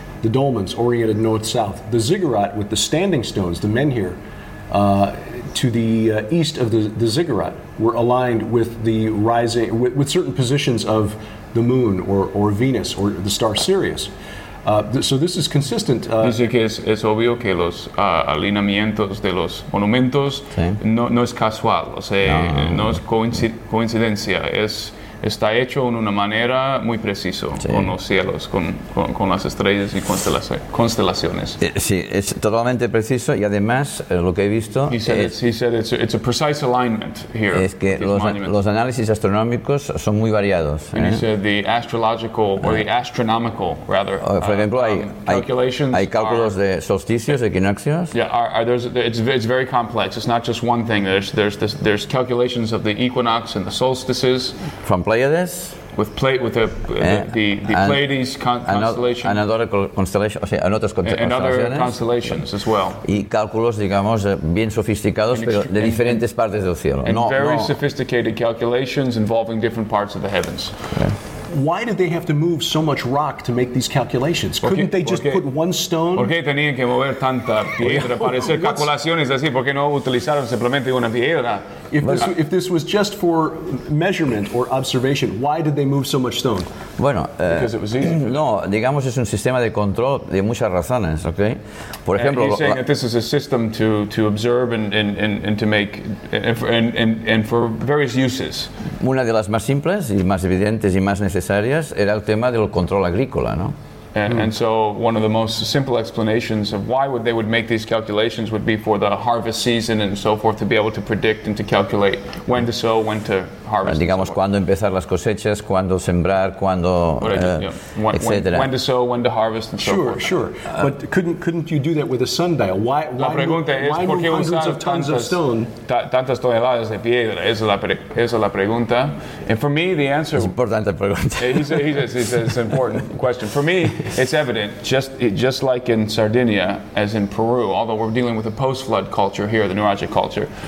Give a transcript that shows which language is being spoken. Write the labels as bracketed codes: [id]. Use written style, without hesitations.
[en] The dolmens oriented north-south. The ziggurat with the standing stones, the menhir, to the east of the ziggurat were aligned with the rising, with certain positions of the moon or Venus or the star Sirius. So this is consistent. [es] Dice que es obvio que los alineamientos de los monumentos no es casual, o sea, no es coincidencia, es... Está hecho en una manera muy preciso con los cielos, con las estrellas y constelaciones. Sí, es totalmente preciso y además lo que he visto. [en] He said it's a precise alignment here. [es] Es que los análisis astronómicos son muy variados. [en] And he said the astrological or the astronomical rather. [es] Por ejemplo, hay cálculos de solsticios, equinoccios. [en] It's very complex. It's not just one thing. There's calculations of the equinox and the solstices. Pleiades, with the Pleiades constellation, and other constellations as well. [es] Y cálculos, digamos, bien sofisticados, pero de diferentes partes del cielo. [en] Sophisticated calculations involving different parts of the heavens. Why did they have to move so much rock to make these calculations? Couldn't they just put one stone? [es] ¿Por qué tenían que mover tanta piedra para hacer calculaciones así? ¿Por qué no utilizaron simplemente una piedra? [en] If this was just for measurement or observation, why did they move so much stone? [es] Bueno, [en] because it was easy. [es] No, digamos es un sistema de control de muchas razones, okay? Por ejemplo, [en] he's saying that this is a system to observe and to make for various uses. [es] Una de las más simples y más evidentes y más necesarias era el tema del control agrícola, ¿no? [en] And so one of the most simple explanations of why they would make these calculations would be for the harvest season and so forth, to be able to predict and to calculate when to sow, when to harvest. And [es] digamos, cuándo empezar las cosechas, cuándo sembrar, cuándo, etc. [en] When to sow, when to harvest, and so sure, forth. Sure, sure. But couldn't you do that with a sundial? Why hundreds of tons of stone? [es] Tantas toneladas de piedra. Esa es la pregunta. [en] And for me, the answer... [es] Es importante pregunta. [en] He says it's an important question. For me, it's evident, just like in Sardinia, as in Peru, although we're dealing with a post-flood culture here, the Nuraghi culture.